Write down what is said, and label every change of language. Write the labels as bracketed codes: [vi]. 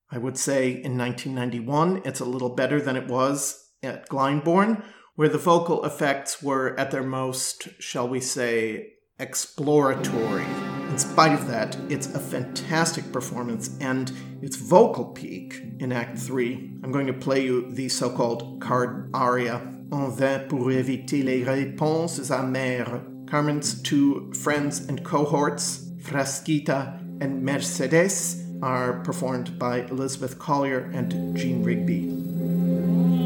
[en] I would say in 1991, it's a little better than it was at Glyndebourne, where the vocal effects were at their most, shall we say, exploratory. In spite of that, it's a fantastic performance, and its vocal peak in Act 3. I'm going to play you the so-called card aria. [fr] En vain pour éviter les réponses amères. [en] Carmen's two friends and cohorts, Frasquita and Mercedes, are performed by Elizabeth Collier and Jean Rigby.